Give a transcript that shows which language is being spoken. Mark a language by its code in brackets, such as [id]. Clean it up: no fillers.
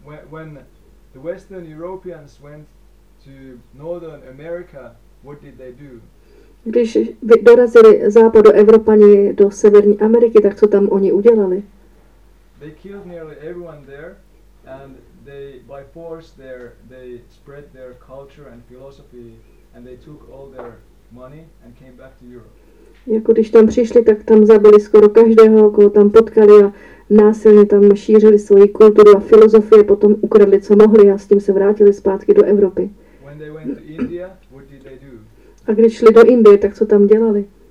[en] When the Western Europeans went to Northern America, what did they do? [cs] Když dorazili západoevropani do Severní Ameriky, tak co tam oni udělali? [en] They killed nearly everyone there and they by force they spread their culture and philosophy and they took all their money and came back to Europe. [cs] Jako když tam přišli, tak tam zabili skoro každého, koho tam potkali a Násilně tam šířili svoji kulturu a filozofie, potom ukradli, co mohli a s tím se vrátili zpátky do Evropy. [en] When they went to India, what did they do? [cs] A když šli do Indie, tak co tam dělali?